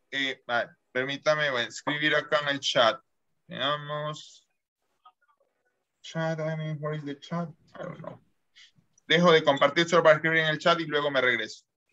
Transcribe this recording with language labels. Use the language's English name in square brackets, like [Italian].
[Spanish] Permítame, voy a escribir acá en el chat. Veamos. [English] Chat, I mean, where is the chat? I don't know. [Spanish] Dejo de compartir solo para escribir en el chat y luego me regreso.